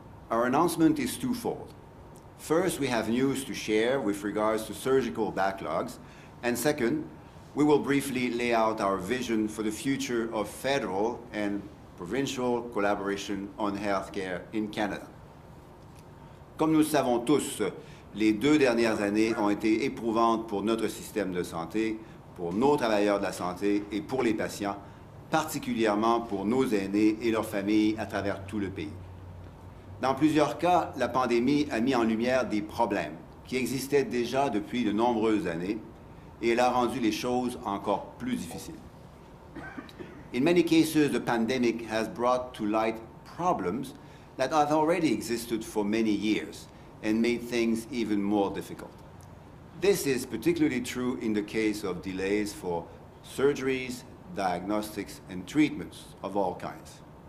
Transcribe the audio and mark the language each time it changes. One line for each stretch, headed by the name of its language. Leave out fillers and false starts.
English: Our announcement is twofold. First, we have news to share with regards to surgical backlogs, and second, we will briefly lay out our vision for the future of federal and provincial collaboration on healthcare in Canada.
French: Comme nous le savons tous, les deux dernières années ont été éprouvantes pour notre système de santé, pour nos travailleurs de la santé et pour les patients, particulièrement pour nos aînés et leurs familles à travers tout le pays. Dans plusieurs cas, la pandémie a mis en lumière des problèmes qui existaient déjà depuis de nombreuses années et elle a rendu les choses encore plus difficiles.
English: In many cases, the pandemic has brought to light problems that have already existed for many years and made things even more difficult. This is particularly true in the case of delays for surgeries, diagnostics, and treatments of all kinds.